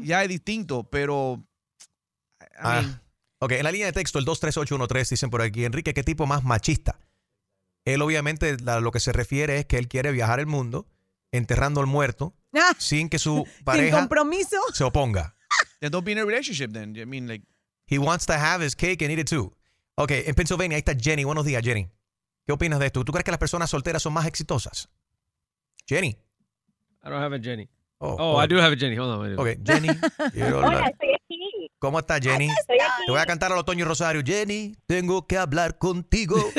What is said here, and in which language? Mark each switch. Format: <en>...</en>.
<es>Ya es distinto, pero... Ok, en la línea de texto, el 23813, dicen por aquí, Enrique, ¿qué tipo más machista? Él obviamente a lo que se refiere es que él quiere viajar el mundo enterrando al muerto sin que su pareja compromiso. Se oponga.</es> <en>Then don't be in a relationship then. I mean, like, he wants to have his cake and eat it too.</en> <es>Okay, en Pennsylvania, ahí está Jenny. Buenos días, Jenny. ¿Qué opinas de esto? ¿Tú crees que las personas solteras son más exitosas? Jenny.</es> <en>I don't have a Jenny. Oh, I do have a Jenny. Hold on. Wait. Okay, Jenny.</en> <es>Hola, estoy aquí. ¿Cómo estás, Jenny? Estoy aquí. Te voy a cantar al Otoño Rosario. Jenny, tengo que hablar contigo.</es>